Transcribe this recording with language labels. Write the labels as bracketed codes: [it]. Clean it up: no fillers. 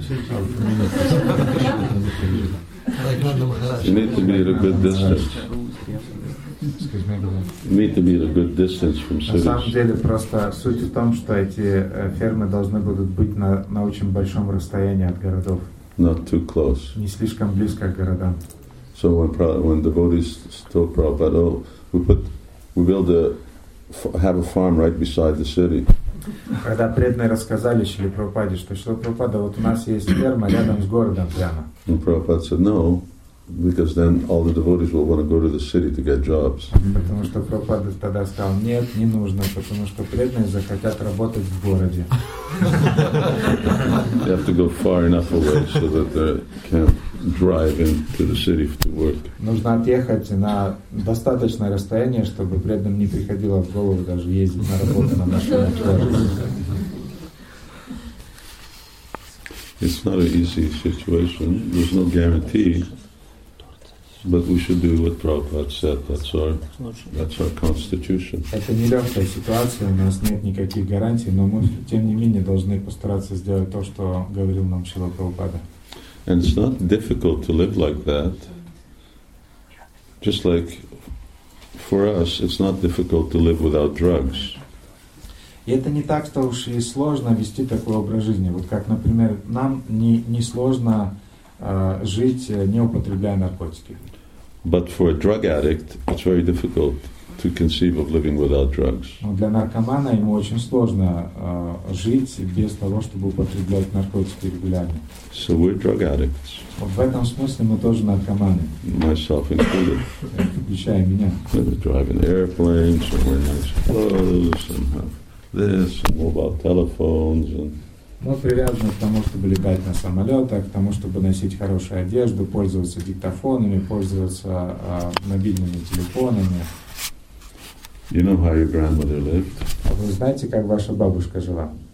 [en] You need to be at a good distance. Need to be at a good distance from cities. [ru] На самом деле просто суть в том, что эти фермы должны будут быть на очень большом расстоянии от городов. [en] Not too close. [ru] Не слишком близко к городам. [en] So when devotees still Prabhupada, we have a farm right beside the city. [ru] Когда преданные рассказали Шриле Прабхупаде, что Шрила Прабхупада, у нас есть ферма рядом с городом прямо. [en] And Prabhupada said no, because then all the devotees will want to go to the city to get jobs. [ru] Потому что Прабхупада тогда сказал, нет, не нужно, потому что преданные захотят работать в городе. [en] You have to go far enough away so that they can't drive into the city to work. [ru] Нужно отъехать на достаточное расстояние, чтобы преданным не приходило в голову даже ездить на работу на машине. [en] It's not an easy situation. There's no guarantee. But we should do what Prabhupada said. That's our constitution. [ru] Это нелегкая ситуация. У нас нет никаких гарантий, но мы тем не менее должны постараться сделать то, что говорил нам Шрила Прабхупада. [en] And it's not difficult to live like that. Just like for us, it's not difficult to live without drugs. [ru] И это не так, что уж и сложно вести такой образ жизни. Вот как, например, нам не сложно жить, не употребляя наркотики. [en] But for a drug addict, it's very difficult to conceive of living without drugs. [ru] Но для наркомана ему очень сложно жить без того, чтобы употреблять наркотики регулярно. [en] So we're drug addicts. [ru] Вот в этом смысле мы тоже наркоманы. [en] Myself included. [ru] Включая меня. [en] We're driving airplanes, and wearing nice clothes, and this, and mobile telephones, and... [ru] Мы привязаны к тому, чтобы летать на самолетах, к тому, чтобы носить хорошую одежду, пользоваться диктофонами, пользоваться мобильными телефонами. [en] You know how your grandmother lived? [ru] А вы знаете, как ваша бабушка жила?